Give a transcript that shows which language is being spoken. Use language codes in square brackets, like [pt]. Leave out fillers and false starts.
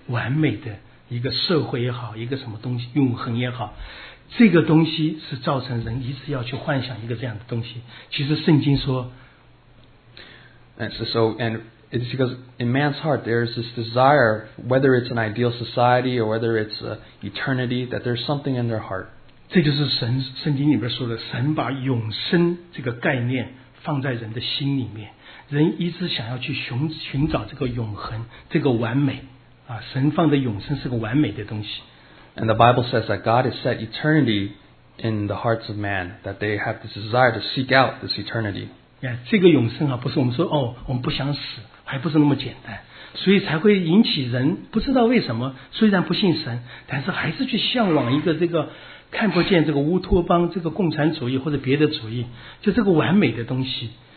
[zh] 因为在人的内心深处有一个完美的一个社会也好, 一个什么东西, 永恒也好, 这个东西是造成人一直要去幻想一个这样的东西。其实圣经说, [en] And it's because in man's heart there's this desire, whether it's an ideal society or whether it's eternity, that there's something in their heart. [zh] 这就是神, 圣经里面说的, 神把永生这个概念放在人的心里面。人一直想要去寻找这个永恒，这个完美啊！神放的永生是个完美的东西。 [en] And the Bible says that God has set eternity in the hearts of man, that they have this desire to seek out this eternity. Yeah, [zh] 这个永生啊，不是我们说哦，我们不想死，还不是那么简单，所以才会引起人不知道为什么，虽然不信神，但是还是去向往一个这个看不见这个乌托邦、这个共产主义或者别的主义，就这个完美的东西。